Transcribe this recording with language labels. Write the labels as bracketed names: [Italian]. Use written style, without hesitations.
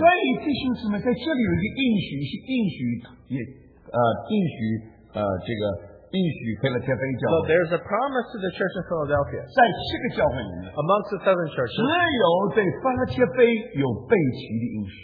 [Chinese] 所以弟兄姊妹在这里有一个应许，这个应许腓立比教会。 [English] So there's a promise to the church in Philadelphia. [Chinese] 在七个教会里面, [English] amongst the seven churches, [Chinese] 只有对腓立比有背起的应许。